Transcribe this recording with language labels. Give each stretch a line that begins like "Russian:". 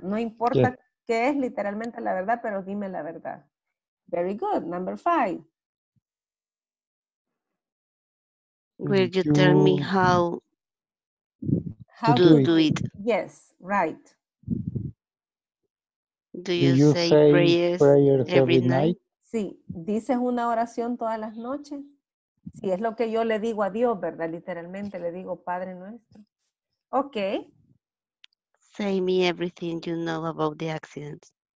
Spanish: No importa qué es literalmente la verdad, pero dime la verdad.
English: Very good. Number five. Will you tell me how to do it? Yes, right. Do you say prayers every night?
Spanish: Sí, dices una oración todas las noches. Sí, es lo que yo le digo a Dios, ¿verdad? Literalmente le digo Padre Nuestro. Ok.
English: Say me everything you know about the accident.